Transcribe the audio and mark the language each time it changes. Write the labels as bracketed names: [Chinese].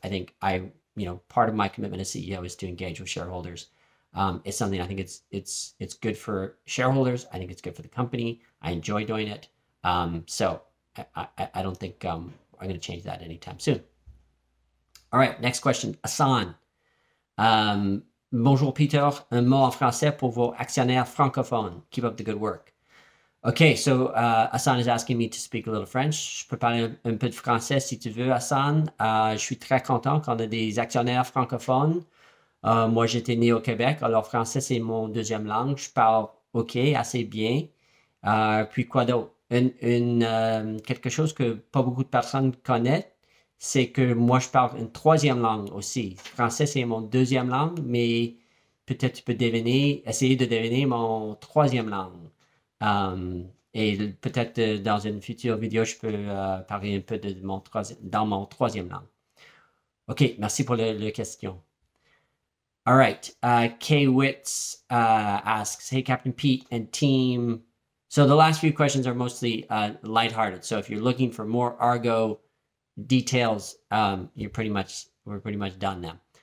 [English] I think I, you know, part of my commitment as CEO is to engage with shareholders. It's something I think it's good for shareholders. I think it's good for the company. I enjoy doing it. So I don't think I'm going to change that anytime soon. All right, next question, Hassan. [French] Bonjour Peter, un mot en français pour vos actionnaires francophones. [English] Keep up the good work. Okay, so Hassan is asking me to speak a little French. [French] Prepare un peu de français si tu veux, Hassan. Je suis très content qu'on ait des actionnaires francophones. Moi, j'étais né au Québec, alors français, c'est mon deuxième langue. Je parle OK, assez bien. Puis quoi d'autre? Quelque chose que pas beaucoup de personnes connaissent, c'est que moi, je parle une troisième langue aussi. Français, c'est mon deuxième langue, mais peut-être tu peux deviner, essayer de deviner mon troisième langue. Et peut-être dans une future vidéo, je peux parler un peu de mon dans mon troisième langue. OK, merci pour la question. [English] All right, Kay Witz asks, hey, Captain Pete and team. So the last few questions are mostly lighthearted. So if you're looking for more Argo details, we're pretty much done now.